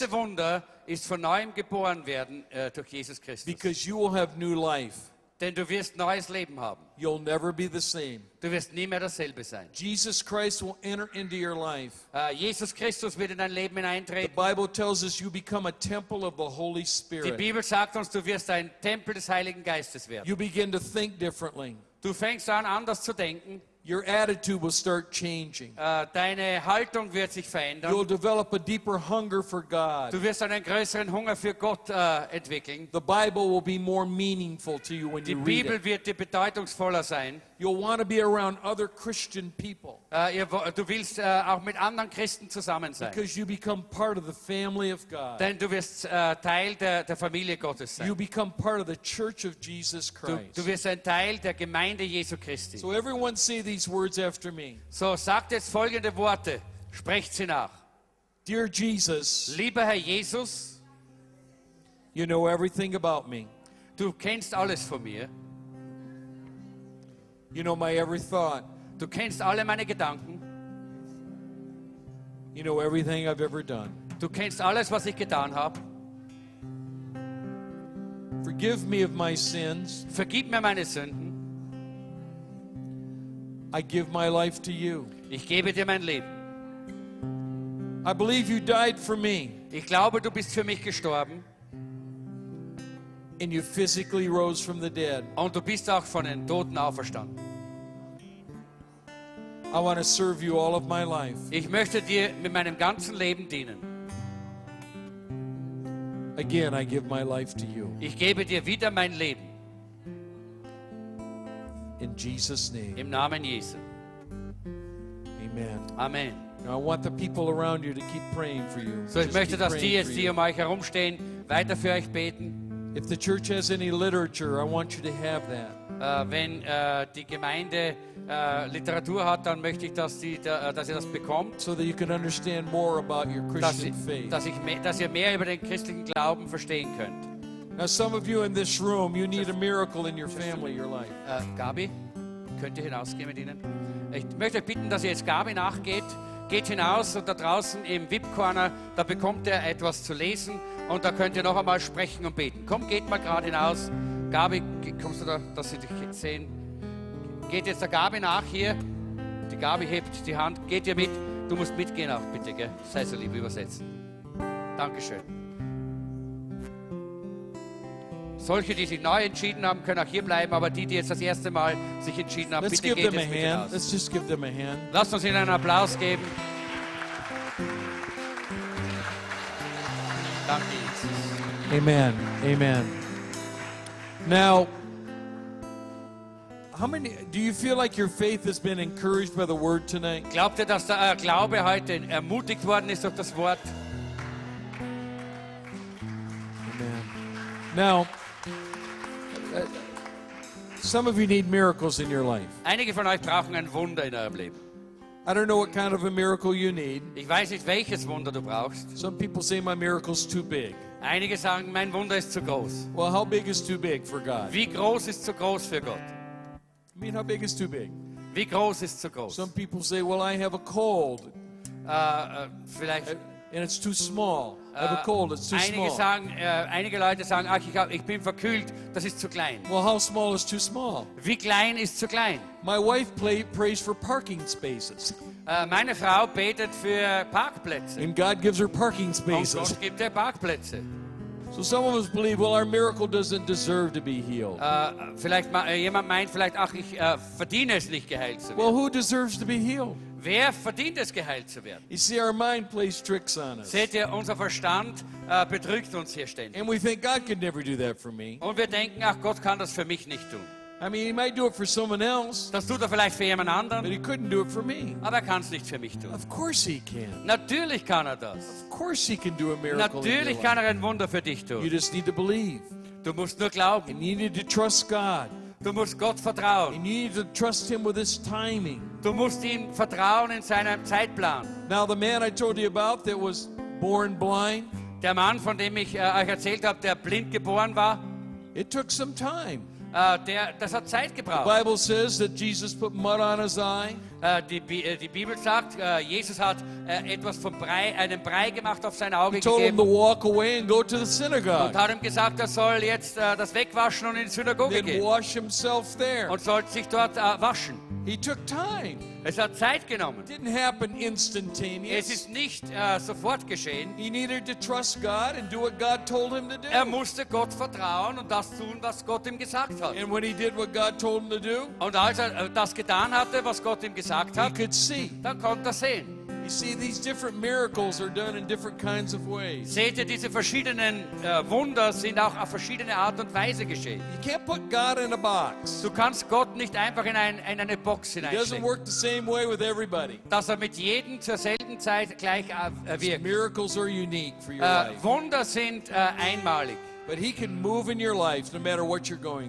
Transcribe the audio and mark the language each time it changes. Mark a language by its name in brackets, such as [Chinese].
[German] Das größte Wunder ist von neuem geboren werden durch Jesus Christus. [English] Because you will have new life. [German] Denn du wirst neues Leben haben. [English] You'll never be the same. [German] Du wirst nie mehr dasselbe sein. [English] Jesus Christ will enter into your life. [German] Jesus Christus wird in dein Leben hineintreten. [English] The Bible tells us you become a temple of the Holy Spirit. [German] Die Bibel sagt uns, du wirst ein Tempel des Heiligen Geistes werden. [English] You begin to think differently. [German] Du fängst an, anders zu denken. [English] Your attitude will start changing. [German] Deine Haltung wird sich verändern. [English] You'll develop a deeper hunger for God. [German] Du wirst einen größeren Hunger für Gott entwickeln. [English] The Bible will be more meaningful to you when [German] Die [English] you [German] Bibel [English] read it. [German] Die Bibel wird dir bedeutungsvoller sein. [English] You'll want to be around other Christian people. [German] Du willst auch mit anderen Christen zusammen sein. [English] Because you become part of the family of God. [German] Denn du wirst Teil der Familie Gottes sein. [English] You become part of the Church of Jesus Christ. [German] Du wirst ein Teil der Gemeinde Jesu Christi. [English] So everyone say these words after me. [German] So sagt jetzt folgende Worte. Sprecht sie nach. [English] Dear Jesus. [German] Lieber Herr Jesus. [English] You know everything about me. [German] Du kennst alles von mir. [English] You know my every thought. [German] Du kennst alle meine Gedanken. [English] You know everything I've ever done. [German] Du kennst alles, was ich getan habe. [English] Forgive me of my sins. [German] Vergib mir meine Sünden. [English] I give my life to you. [German] Ich gebe dir mein Leben. [English] I believe you died for me. [German] Ich glaube, du bist für mich gestorben. [English] And you physically rose from the dead. [German] Und du bist auch von den Toten auferstanden. [English] I want to serve you all of my life. [German] Ich möchte dir mit meinem ganzen Leben dienen. [English] Again, I give my life to you. [German] Ich gebe dir wieder mein Leben. [English] In Jesus' name. [German] Im Namen Jesu. [English] Amen. [German] Amen. [English] Now I want the people around you to keep praying for you. [German] So ich möchte, dass die jetzt, die um euch herumstehen, weiter für euch beten. [English] If the church has any literature, I want you to have that. [German] Wenn die Gemeinde Literatur hat, dann möchte ich, dass ihr das bekommt. [English] So that you can understand more about your Christian faith. [German] Dass ihr mehr über den christlichen Glauben verstehen könnt. [English] Now, some of you in this room, you need a miracle in your family, your life. [German] Gabi, könnt ihr hinausgehen mit ihnen? Ich möchte euch bitten, dass ihr jetzt Gabi nachgeht. Geht hinaus und da draußen im VIP-Corner, da bekommt ihr etwas zu lesen und da könnt ihr noch einmal sprechen und beten. Komm, geht mal gerade hinaus. Gabi, kommst du da, dass sie dich sehen? Geht jetzt der Gabi nach hier. Die Gabi hebt die Hand. Geht ihr mit? Du musst mitgehen auch, bitte, gell? Sei so lieb, übersetzen. Dankeschön. Solche, die sich neu entschieden haben, können auch hier bleiben, aber die, die jetzt das erste Mal sich entschieden haben, [English] Let's [German] bitte geht jetzt mit [English] Let's just give them a hand. [German] Lasst uns ihnen einen Applaus geben. Danke, Jesus. Amen, amen. [English] Now, how many, do you feel like your faith has been encouraged by the word tonight? [German] Glaubt ihr, dass euer Glaube heute ermutigt worden ist durch das Wort? Amen. [English] Now, some of you need miracles in your life. [German] Einige von euch brauchen ein Wunder in eurem Leben. [English] I don't know what kind of a miracle you need. [German] Ich weiß nicht, welches Wunder du brauchst. [English] Some people say my miracle's too big. [German] Einige sagen, mein Wunder ist zu groß. [English] Well, how big is too big for God? [German] Wie groß ist zu groß für Gott? [English] I mean, how big is too big? [German] Wie groß ist zu groß? [English] Some people say, well, I have a cold. [German] Vielleicht. [English] And it's too small. I have a cold. It's too [German] einige [English] small. [German] Einige Leute sagen, ach, ich bin verkühlt. Das ist zu klein. [English] Well, how small is too small? [German] Wie klein ist zu klein? [English] My wife prays for parking spaces. [German] Meine Frau betet für Parkplätze. [English] And God gives her parking spaces. [German] Und Gott gibt ihr Parkplätze. [English] So some of us believe, well, our miracle doesn't deserve to be healed. [German] Vielleicht jemand meint vielleicht, ach, ich verdiene es nicht, geheilt zu werden. [English] Well, who deserves to be healed? [German] Wer verdient es, geheilt zu werden? [English] You see, our mind plays tricks on us. [German] Seht ihr, unser Verstand betrügt uns hier ständig. [English] And we think God could never do that for me. [German] Und wir denken, ach, Gott kann das für mich nicht tun. [English] I mean, he might do it for someone else. [German] Das tut er vielleicht für jemand anderen. [English] But he couldn't do it for me. [German] Aber er kann es nicht für mich tun. [English] Of course he can. [German] Natürlich kann er das. [English] Of course he can do a miracle. [German] Natürlich kann er ein Wunder für dich tun. [English] You just need to believe. [German] Du musst nur glauben. [English] And you need to trust God. [German] Du musst Gott vertrauen. [English] And you need to trust him with his timing. [German] Du musst ihm vertrauen in seinem Zeitplan. [English] Now the man I told you about that was born blind. [German] Der Mann, von dem ich euch erzählt habe, der blind geboren war. [English] It took some time. [German] Das hat Zeit gebraucht. [English] The Bible says that Jesus put mud on his eye. [German] Die Bibel sagt, Jesus hat etwas von Brei, einen Brei gemacht auf sein Auge. [English] He told [German] gegeben. [English] Him to walk away and go to the synagogue. [German] Und hat ihm gesagt, er soll jetzt das wegwaschen und in die Synagoge [English] then [German] gehen. [English] Wash himself there. [German] Und soll sich dort waschen. [English] He took time. [German] Es hat Zeit genommen. [English] It didn't happen instantaneous. [German] Es ist nicht sofort geschehen. [English] He needed to trust God and do what God told him to do. [German] Er musste Gott vertrauen und das tun, was Gott ihm gesagt hat. [English] And when he did what God told him to do, [German] und als er das getan hatte, was Gott ihm gesagt hat, [English] he could see. [German] Dann konnte er sehen. [English] You see, these different miracles are done in different kinds of ways. [German] Seht ihr, diese verschiedenen Wunder sind auch auf verschiedene Art und Weise geschehen. [English] You can't put God in a box. [German] Du kannst Gott nicht einfach in eine Box hineinstecken. [English] He doesn't work the same way with everybody. [German] Dass er mit jedem zur selben Zeit gleich wirkt. [English] Miracles are unique for your life. [German] Wunder sind einmalig. [English] But he can move in your life no matter what you're going